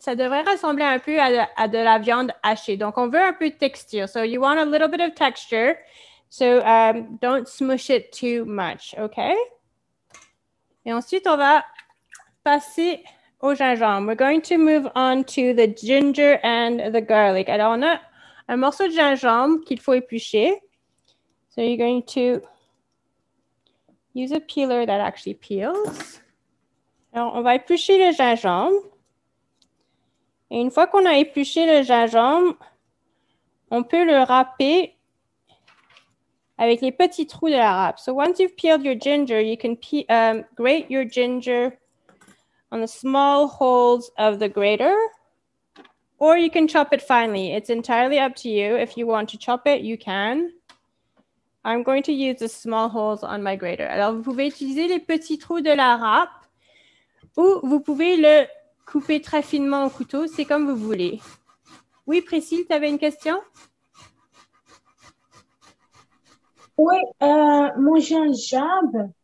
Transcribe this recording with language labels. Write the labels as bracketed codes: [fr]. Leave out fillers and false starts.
[fr] Ça devrait ressembler un peu à de la viande hachée. Donc, on veut un peu de texture. [en] So you want a little bit of texture. So don't smush it too much, okay? [fr] Et ensuite, on va passer au gingembre. [en] We're going to move on to the ginger and the garlic. [fr] Alors, on a un morceau de gingembre qu'il faut éplucher. [en] So you're going to use a peeler that actually peels. [fr] Alors, on va éplucher le gingembre. Et une fois qu'on a épluché le gingembre, on peut le râper avec les petits trous de la râpe. [en] So once you've peeled your ginger, you can grate your ginger on the small holes of the grater, or you can chop it finely. It's entirely up to you. If you want to chop it, you can. I'm going to use the small holes on my grater. [fr] Alors, vous pouvez utiliser les petits trous de la râpe ou vous pouvez le couper très finement au couteau. C'est comme vous voulez. Oui, Priscille, tu avais une question? Oui, mon gingembre.